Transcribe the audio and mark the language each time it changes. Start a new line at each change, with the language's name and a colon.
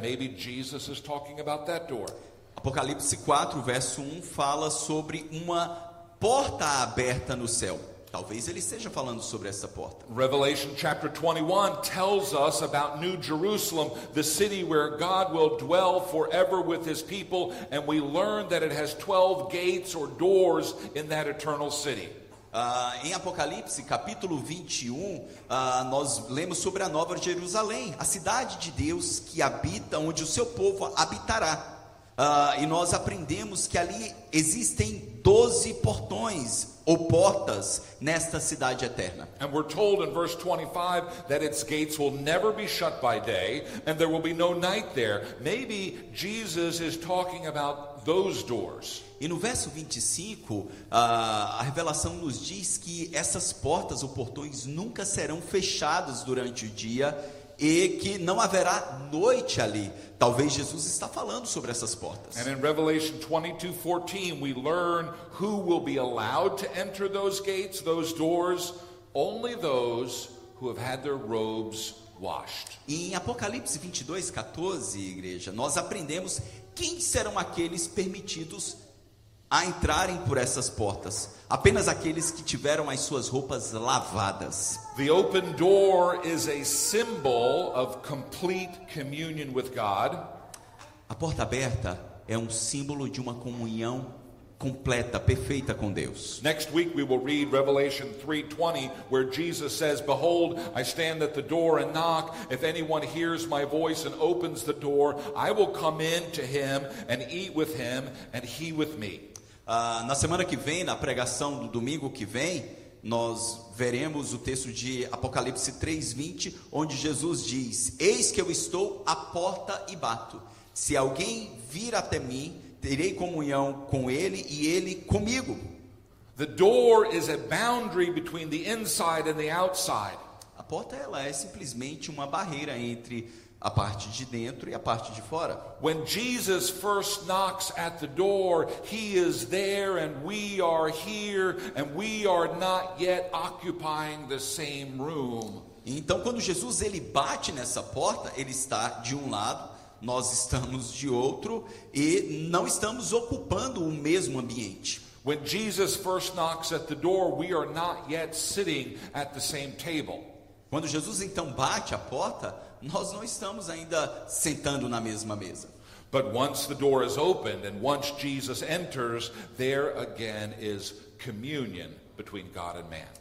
English: Maybe Jesus is talking about that door.
Portuguese: Apocalipse 4, verso 1 fala sobre uma porta aberta no céu. Talvez ele esteja falando sobre essa porta.
English: Revelation chapter 21 tells us about New Jerusalem, the city where God will dwell forever with his people, and we learn that it has 12 gates or doors in that eternal city.
Portuguese: Em Apocalipse capítulo 21, nós lemos sobre a Nova Jerusalém, a cidade de Deus que habita, onde o seu povo habitará. E nós aprendemos que ali existem 12 portões ou portas nesta cidade eterna.
English: And we're told in verse 25 that its gates will never be shut by day and there will be no night there. Maybe Jesus is talking about those doors.
Portuguese: E no verso 25, a revelação nos diz que essas portas ou portões nunca serão fechadas durante o dia e que não haverá noite ali. Talvez Jesus está falando sobre essas portas.
English: And in Revelation 22:14, we learn who will be allowed to enter those gates, those doors, only those who have had their robes washed.
Portuguese: Em Apocalipse 22:14, igreja, nós aprendemos quem serão aqueles permitidos a entrarem por essas portas, apenas aqueles que tiveram as suas roupas lavadas.
English: The open door is a symbol of complete communion with God.
Portuguese: A porta aberta é um símbolo de uma comunhão completa, perfeita com Deus.
English: Next week we will read Revelation 3:20, where Jesus says, "Behold, I stand at the door and knock. If anyone hears my voice and opens the door, I will come in to him and eat with him and he with me."
Portuguese: Na semana que vem, na pregação do domingo que vem, nós veremos o texto de Apocalipse 3:20, onde Jesus diz: "Eis que eu estou à porta e bato. Se alguém vir até mim, terei comunhão com ele e ele comigo."
English: The door is a boundary between the inside and the outside.
Portuguese: A porta, ela é simplesmente uma barreira entre a parte de dentro e a parte de fora.
English: When Jesus first knocks at the door, he is there and we are here and we are not yet occupying the same room.
Portuguese: Então, quando Jesus ele bate nessa porta, ele está de um lado, nós estamos de outro e não estamos ocupando o mesmo ambiente.
English: When Jesus first knocks at the door, we are not yet sitting at the same table.
Portuguese: Quando Jesus então bate a porta, nós não estamos ainda sentando na mesma mesa.
English: But once the door is opened and once Jesus enters, there again is communion between God and man.